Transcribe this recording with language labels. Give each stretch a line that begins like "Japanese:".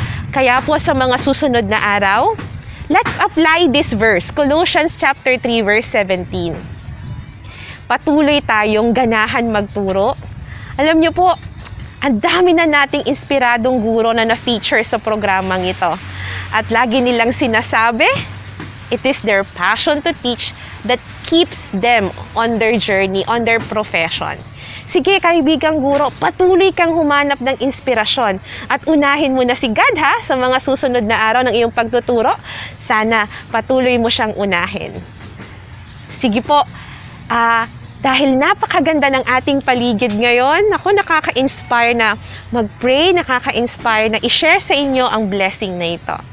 Filipino: Kaya po sa mga susunod na araw,
English: let's apply this verse, Colossians chapter 3 verse 17.
Filipino: Patuloy tayong ganahan magturo. Alam niyo po, ang dami na nating inspiradong guro na na-feature sa programang ito. At lagi nilang sinasabi,
English: it is their passion to teach that keeps them on their journey, on their profession.
Filipino: Sige, kaibigang guro, patuloy kang humanap ng inspirasyon. At unahin mo na si God, ha, sa mga susunod na araw ng iyong pagtuturo. Sana patuloy mo siyang unahin. Sige po, dahil napakaganda ng ating paligid ngayon, ako nakaka-inspire na mag-pray, nakaka-inspire na i-share sa inyo ang blessing na ito.